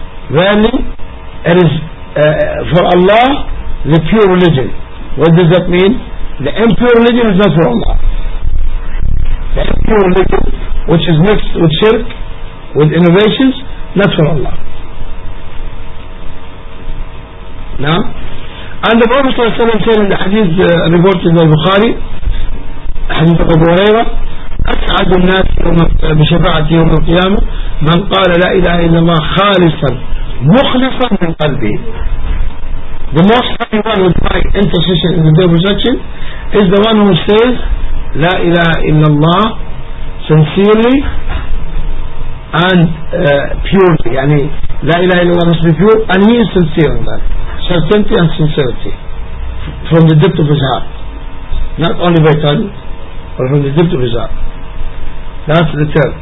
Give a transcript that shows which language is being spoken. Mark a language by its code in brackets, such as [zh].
[en] Verily, it is for Allah the pure religion. What does that mean? The impure religion is not for Allah. The impure religion, which is mixed with shirk, with innovations, not for Allah. Now, and the Prophet ﷺ said in the hadith reported by Bukhari, hadith of Abu Huraira, [ar] أسعد الناس بشفاعة يوم القيامة من قال لا إله إلا الله خالصا مخلصا من قلبه. [en] The most happy one with my intercession in the day of resurrection is the one who says [ar] لا إله إلا الله [en] sincerely and purely. [ar] يعني لا إله إلا الله [en] must be pure, and he is sincere in that. Certainty and sincerity from the depth of his heart, not only by tongue, but from the depth of his heart. That's the third.